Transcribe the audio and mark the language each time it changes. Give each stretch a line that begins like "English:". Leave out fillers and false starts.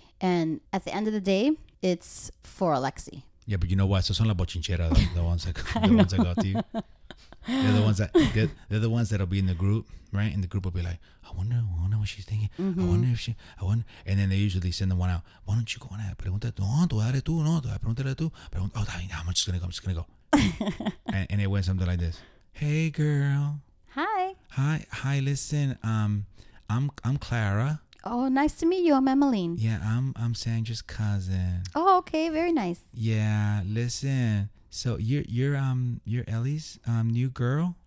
English: And at the end of the day, it's for Alexi. Yeah, but you know what? So
Spanish: son la bochinchera,
English: the ones that got to you. They're the ones that'll be in the group, right? And the group will be like, I wonder what she's thinking. Mm-hmm. I wonder. And then they usually send the one out. Why don't you go on that?
Spanish: Pregunta tú, tú dale tú, no, tú pregúntale tú. Pregunta,
English: oh, I'm just gonna go, And it went something like this. Hey, girl. Hi. Listen. I'm Clara. Oh, nice to meet you. I'm Emmeline. Yeah, I'm Sandra's cousin. Oh, okay. Very nice. Yeah. Listen. So you're Ellie's new girl?